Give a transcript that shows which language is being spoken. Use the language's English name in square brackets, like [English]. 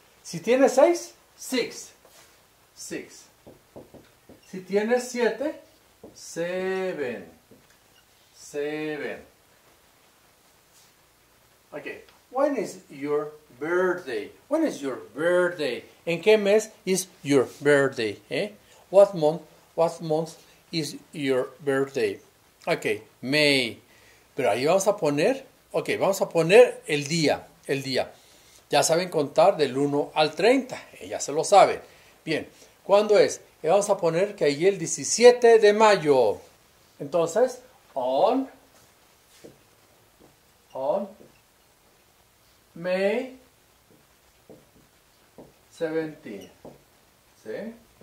[Spanish] Si tienes 6, 6. Si tienes 7, [English] Seven. Seven. Okay. When is your birthday? When is your birthday? [Spanish] ¿En qué mes [English] is your birthday? ¿Eh? What month? What month is your birthday? Okay, May. [Spanish] Pero ahí vamos a poner, okay, vamos a poner el día, el día. Ya saben contar del 1 al 30, ya se lo sabe. Bien, ¿cuándo es? Y vamos a poner que ahí el 17 de mayo. Entonces, [English] on May 17. ¿Sí?